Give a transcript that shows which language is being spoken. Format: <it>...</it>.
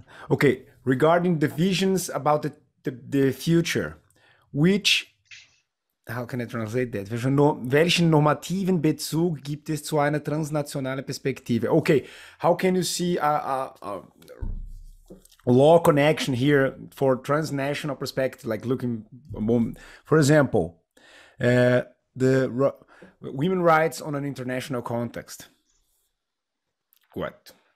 <en>Okay, regarding the visions about the future, which, how can I translate that?</en> <de>Welchen normativen Bezug gibt es zu einer transnationalen Perspektive?</de> <en>Okay, how can you see a law connection here for transnational perspective, like looking, for example, the women rights on an international context? What?</en>